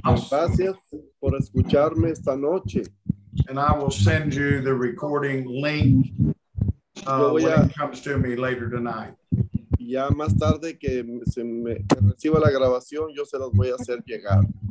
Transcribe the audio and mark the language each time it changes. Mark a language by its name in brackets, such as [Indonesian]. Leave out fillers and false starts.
[Spanish] Gracias por escucharme esta noche. [English] And I will send you the recording link when it comes to me later tonight. [Spanish] Ya más tarde que se me que reciba la grabación, yo se los voy a hacer llegar.